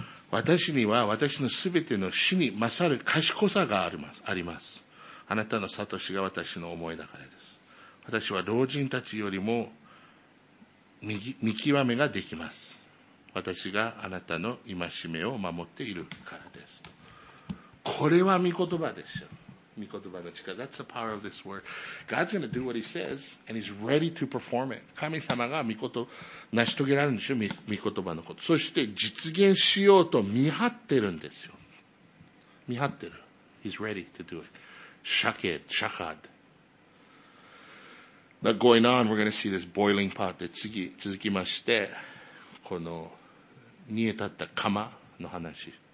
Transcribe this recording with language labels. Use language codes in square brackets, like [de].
[ja] 私には私のすべての死に勝る賢さがあります。あなたの悟しが私の思いだからです。私は老人たちよりも見極めができます。私があなたの戒めを守っているからです。これは御言葉でしょ。御言葉の力。 [en] That's the power of this word. God's going to do what he says, and he's ready to perform it. [ja] 神様が御言葉、成し遂げられるんでしょ、御言葉のこと。そして実現しようと見張ってるんですよ。見張ってる。 [en] He's ready to do it. [ja] Shakad. [en] Now going on, we're going to see this boiling pot. [ja] で、続きまして、この、煮え立った釜の話。